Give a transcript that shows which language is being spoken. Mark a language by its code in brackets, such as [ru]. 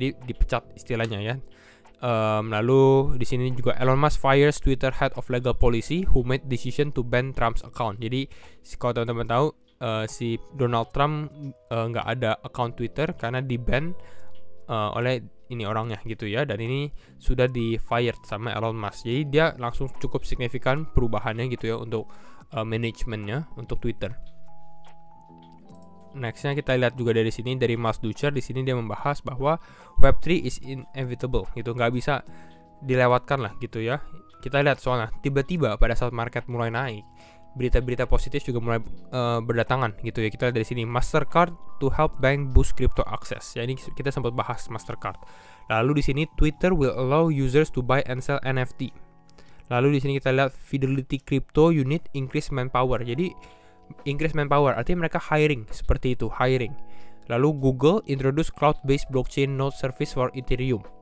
[id] Jadi dipecat istilahnya ya. Lalu di sini juga [en] Elon Musk fires Twitter Head of Legal Policy who made decision to ban Trump's account. [id] Jadi kalau teman-teman tahu, si Donald Trump nggak ada account Twitter karena di ban oleh ini orangnya gitu ya, dan ini sudah di fired sama Elon Musk. Jadi dia langsung cukup signifikan perubahannya gitu ya untuk manajemennya untuk Twitter. Nextnya kita lihat juga dari sini, dari Mas Ducher, di sini dia membahas bahwa [en] Web3 is inevitable [id] gitu, nggak bisa dilewatkan lah gitu ya. Kita lihat soalnya tiba-tiba pada saat market mulai naik, berita-berita positif juga mulai berdatangan gitu ya. Kita lihat dari sini, [en] Mastercard to help bank boost crypto access. [id] Ya ini kita sempat bahas Mastercard. Lalu di sini [en] Twitter will allow users to buy and sell NFT. [id] Lalu di sini kita lihat Fidelity Crypto unit [en] increase manpower. [id] Jadi [en] increase manpower [id] artinya mereka hiring seperti itu, hiring. [en] Lalu Google introduce cloud-based blockchain node service for Ethereum.